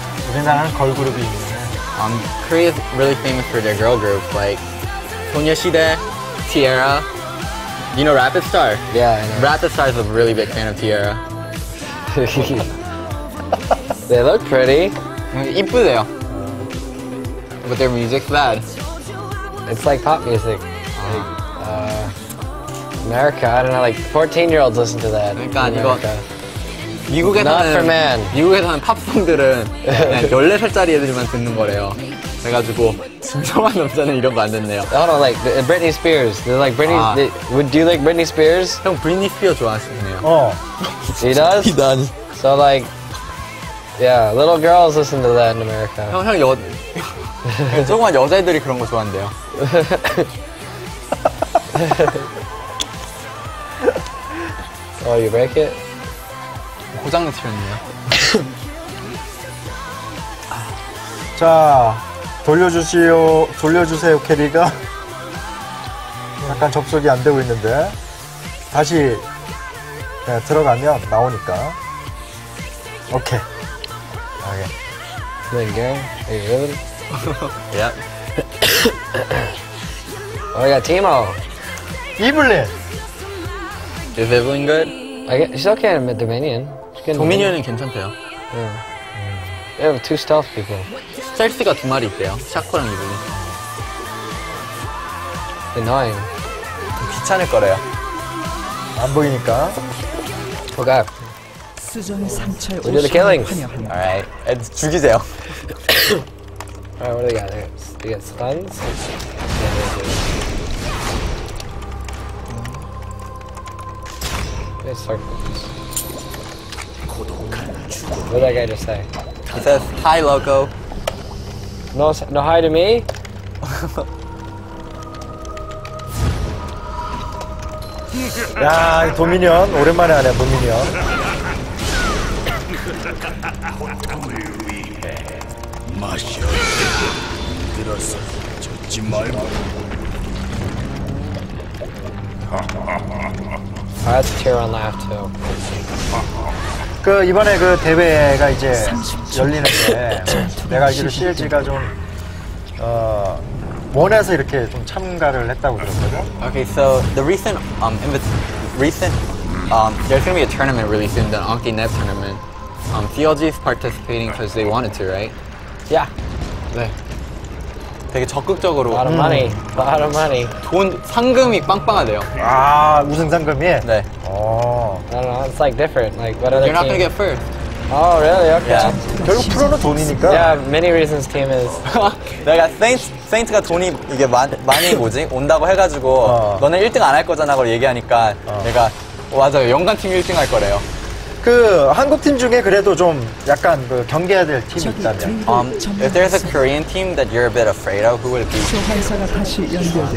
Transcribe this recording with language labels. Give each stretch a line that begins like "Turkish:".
Korean: 우리나라는 걸그룹이 있네.
English: Korea is really famous for their girl groups, like 소녀시대, Tiara. You know Rapid Star? Yeah, I know. Rapid Star is a really big fan of Tiara. They look pretty.
Korean: 이쁘대요.
English: But their music's bad. It's like pop music. Like, America, I don't know, like 14-year-olds listen to that.
Korean: 그러니까 미국에서는,
English: Not for man.
Korean: 미국에서는 팝송들은 그냥 14살짜리 애들만 듣는 거래요. 그래가지고 진정한 남자는 이런 거 안 듣네요.
English: I don't know, like Britney Spears. They're like Britney, 아. they, would you like Britney Spears?
Korean: 형 Britney Spears 좋아하시네요.
English: 어. He does? He does. So like, yeah, little girls listen to that in America.
Korean: 형 여, 조그만 여자애들이 그런 거 좋아한대요.
English: 어, you break it?
Korean: 고장을 치렸네요. 자, 돌려주시오, 돌려주세요, 캐리가. 약간 접속이 안 되고 있는데. 다시 네, 들어가면 나오니까.
English: 오케이.
Korean: 오케이. 네, 이게. 야. 어, 야, 팀워. 이블린.
English: Is Evelyn good? She's okay in the Dominion.
Korean: 도미니언은 괜찮대요.
English: 네. They have two stealth people.
Korean: 스텔스가 두 마리 있대요. 샤코랑 이분이.
English: Annoying.
Korean: 귀찮을 거래요. 안 보이니까. 보가. 수정의 상처에 오신 분을 환영합니다. Alright. 애들 죽이세요.
English: Alright, what do we got? We got stuns. We got circles. What did that guy just say? He says, hi, loco. No hi to me? Yeah, Dominion.
Korean: 오랜만에 하네,
English: Dominion. That's Tyrion laugh, too.
Korean: 그 이번에 그 대회가 이제 열리는데 내가 알기로 CLG가 좀 원해서 이렇게 좀 참가를 했다고 들었거든요.
English: Okay, so the recent there's going to be a tournament really soon, the OnkiNet tournament. CLG is participating because they wanted to, right? Yeah.
Korean: 네. 되게 적극적으로.
English: A lot of money. A lot of money.
Korean: 돈 상금이 빵빵하대요. 아 우승 상금이? 네.
English: Oh. I don't know. It's like different. Like what other You're Not going to get first. Oh, really? Okay. Yeah.
Korean: 결국 프로는 돈이니까.
English: Yeah, many reasons team is.
Korean: 내가 Saints가 돈이 이게 많이 뭐지? 온다고 해가지고 너네 1등 안 할 거잖아고 얘기하니까 내가 맞아요. 연간 팀 1등 할 거래요. 그 한국 팀 중에 그래도 좀 약간 그 경계해야 될 팀이 있다면?
English: If there's a Korean team that you're a bit afraid of, who would it be?